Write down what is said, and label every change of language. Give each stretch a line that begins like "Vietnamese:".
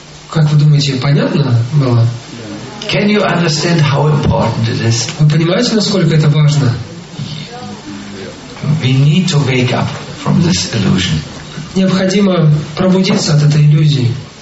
Russian: Как вы думаете, понятно было?
English: Can you understand how important it is?
Russian: Вы понимаете, насколько это важно?
English: We need to wake up from this illusion.
Russian: Необходимо пробудиться от этой иллюзии.